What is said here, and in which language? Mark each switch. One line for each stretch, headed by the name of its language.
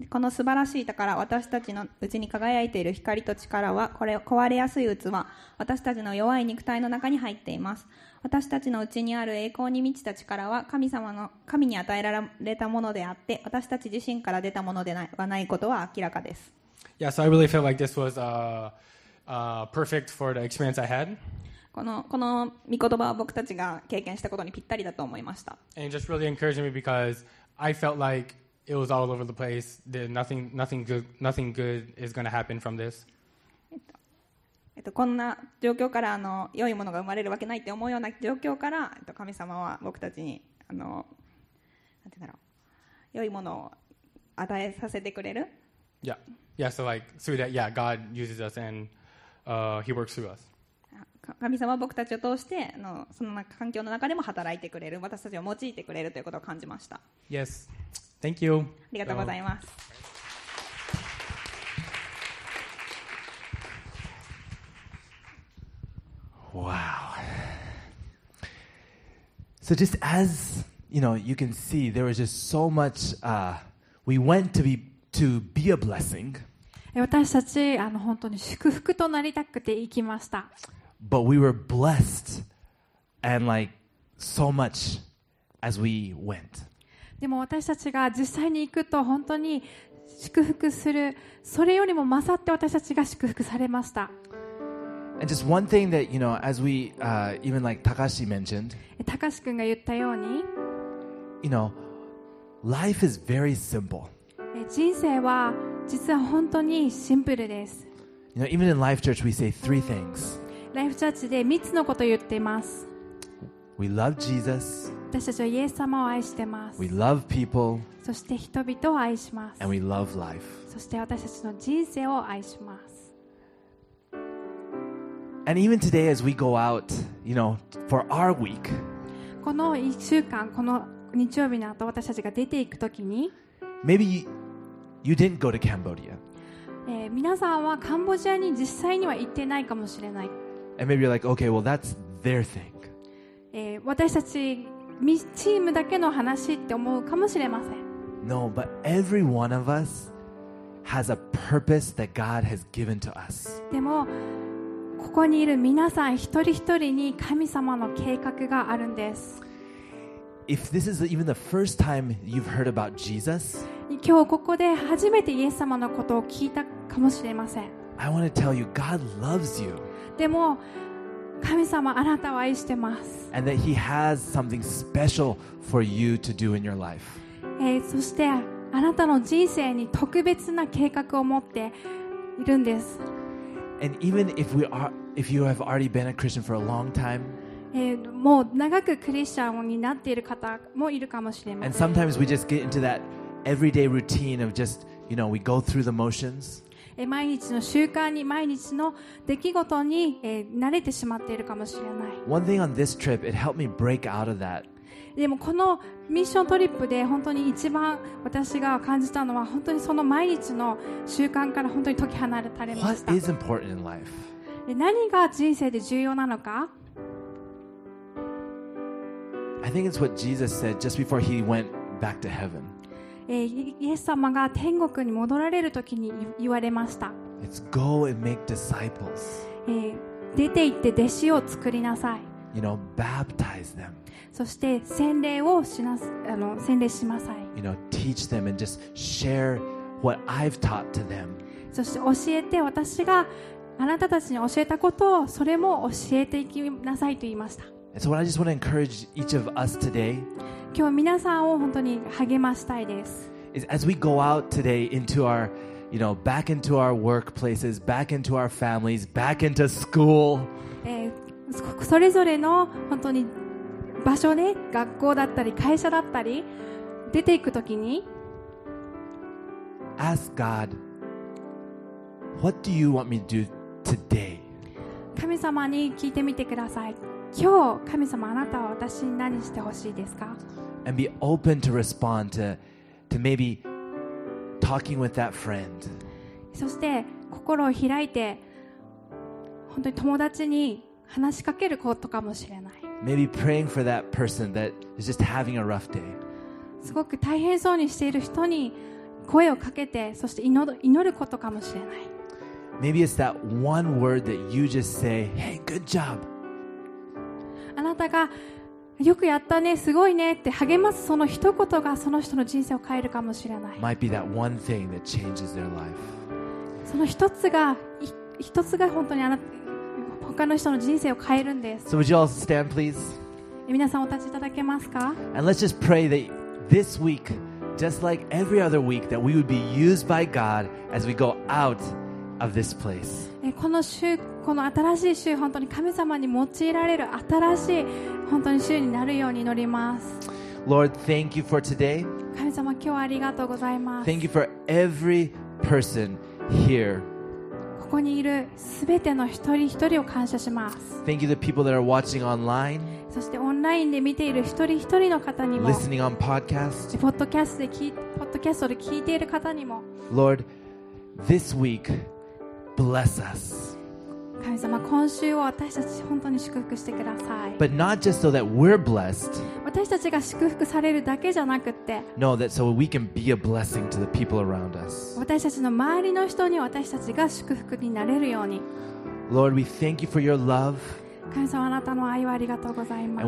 Japanese: この素晴らしい宝、私たちのうちに輝いている光と力は、これ壊れやすい器、私たちの弱い肉体の中に入っています。私たちのうちにある栄光に満ちた力は神に与えられたものであって、私たち自身から出たものではないことは明らかです。
English: Yeah, so I really feel like this was perfect for the experience I had.
Japanese: この御言葉は僕たちが経験したことにぴったりだと思いました。
English: And it just really encouraged me because I felt like it was all over the place. Nothing good is going to happen from this.
Japanese: こんな状況からあの良いものが生まれるわけないって思うような状況から、神様は僕たちにあのなんて言うんだろう、良いものを与えさせてくれる。
English: Yeah, yeah. So like through that, yeah, God uses us and He works through us.
Japanese: 神様は僕たちを通してあのその環境の中でも働いてくれる、私たちを用いてくれるということを感じました。
English: Yes, thank you.
Japanese: ありがとうございます。
English: Wow. So just as you know, you can see there was just so much. We went to be a blessing.
Japanese: 私たちあの本当に祝福となりたくて行きました。
English: But we were blessed, and like so much as we went.
Japanese: でも私たちが実際に行くと本当に祝福する。それよりも勝って私たちが祝福されました。
English: And just one thing that, you know, as we, even like Takashi mentioned,
Japanese: Takashi君が言ったように,
English: you know, life is very simple.
Japanese: 人生は実は本当にシンプルです。
English: You know, even in Life Church, we say three things.
Japanese: Life Church で三つのことを言っています。
English: We love Jesus.
Japanese: 私たちはイエス様を愛しています。
English: We love people.
Japanese: そして人々を愛します。
English: And we love life.
Japanese: そして私たちの人生を愛します。
English: And even today as we go out, you know, for our week,
Japanese: この1週間、この日曜日の後、私たちが出ていくときに、
English: Maybe you didn't go to Cambodia.
Japanese: 皆さんはカンボジアに実際には行ってないかもしれない。
English: And maybe you're like, okay, well, that's their thing.
Japanese: 私たちチームだけの話って思うかもしれません。
English: No, but every one of us has a purpose that God has given to us.
Japanese: でも、ここにいる皆さん一人一人に神様の計画があるんです。
English: If this is even the first time you've heard about Jesus,
Japanese: 今日ここで初めてイエス様のことを聞いたかもしれません。
English: I want to tell you, God loves you.
Japanese: でも、神様あなたを愛してます。
English: And that He has something special for you to do in your life.
Japanese: そしてあなたの人生に特別な計画を持っているんです。
English: And even if we are, if you have already been a Christian for a long time,
Japanese: もう長くクリスチャンになっている方もいるかもしれません。
English: And sometimes we just get into that everyday routine of just, you know, we go through the motions.
Japanese: 毎日の習慣に毎日の出来事に慣れてしまっているかもしれない。
English: One thing on this trip, it helped me break out of that.
Japanese: でもこのミッショントリップで本当に一番私が感じたのは本当にその毎日の習慣から本当に解き放たれました。
English: What is important in life?
Japanese: 何が人生で重要なのか?
English: I think it's what Jesus said just before he went back to heaven.
Japanese: イエス様が天国に戻られるときに言われました。
English: It's go and make disciples.
Japanese: 出て行って弟子を作りなさい。
English: You know, baptize them.
Japanese: そして洗礼をしなす、あの、洗礼しなさい。
English: You know, teach them and just share what I've taught to them.
Japanese: そして教えて、私があなたたちに教えたことをそれも教えていきなさいと言いました。
English: And so what I just want to encourage each of us today,
Japanese: 今日皆さんを本当に励ましたいです。
English: Is as we go out today into our, you know, back into our workplaces, back into our families, back into school.
Japanese: それぞれの本当に場所ね、学校だったり会社だったり出ていくときに、
English: Ask God, what do you want me to do today?
Japanese: 神様に聞いてみてください。今日、神様あなたは私に何してほしいですか?
English: And be open to respond to maybe talking with that friend.
Japanese: そして心を開いて本当に友達に話しかけることかもしれない。
English: Maybe praying for that person that is just having a rough day.
Japanese: すごく大変そうにしている人に声をかけて、そして祈ることかもしれない。
English: Maybe it's that one word that you just say, "Hey, good job."
Japanese: あなたがよくやったね、すごいねって励ますその一言がその人の人生を変えるかもしれない。
English: Might be that one thing that changes their life.
Japanese: その一つが本当にあなた。他の人の人生を変えるんです。
English: So would you all stand, please?
Japanese: 皆さんお立ちいただけますか?
English: And let's just pray that this week, just like every other week, that we would be used by God as we go out of this place.
Japanese: この週、この新しい週、本当に神様に用いられる新しい本当に週になるように祈ります。
English: Lord, thank you for today.
Japanese: 神様、今日はありがとうございます。
English: Thank you for every person here.
Japanese: ここにいるすべての一人一人を感謝します。
English: Thank you to the people that are watching online.
Japanese: そしてオンラインで見ている一人一人の方にも。
English: Listening on podcast.
Japanese: ポッドキャストで聞いている方にも。
English: Lord, this week, bless us.
Japanese: 神様、今週を私たち本当に祝福してください。
English: But not just so that we're blessed.
Japanese: 私たちが祝福されるだけじゃなくて。
English: No, that so we can be a blessing to the people around us.
Japanese: 私たちの周りの人に私たちが祝福になれるように。
English: Lord, we thank you for your love.
Japanese: 神様、あなたの愛をありがとうございます。